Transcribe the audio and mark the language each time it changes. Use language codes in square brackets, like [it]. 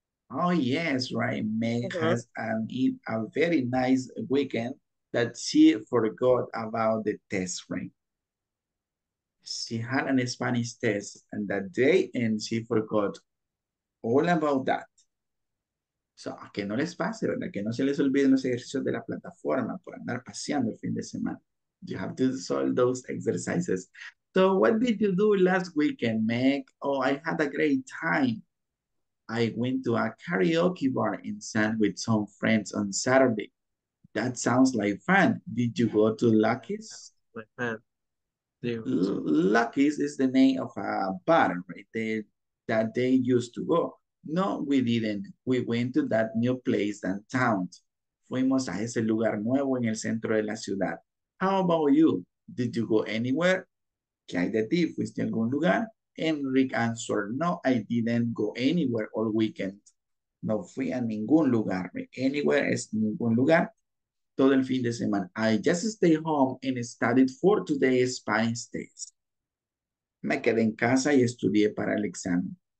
[en] Oh, yes, right. Meg has a very nice weekend that she forgot about the test, right? She had a Spanish test and that day and she forgot all about that. [es] So, a que no les pase, ¿verdad? Que no se les olviden los ejercicios de la plataforma por andar paseando el fin de semana. [en] You have to solve those exercises. So, what did you do last weekend, Meg? Oh, I had a great time. I went to a karaoke bar and sang with some friends on Saturday. That sounds like fun. Did you go to Lucky's? Lucky's is the name of a bar, right? That they used to go. No, we didn't. We went to that new place downtown. [es] Fuimos a ese lugar nuevo en el centro de la ciudad. [en] How about you? Did you go anywhere? ¿Qué hay de ti? ¿Fuiste a algún lugar? Enrique answered, no, I didn't go anywhere all weekend. [es] No fui a ningún lugar. Anywhere es ningún lugar. Todo el fin de semana. [en] I just stayed home and studied for today's Spanish test. [es] Me quedé en casa y estudié para el examen.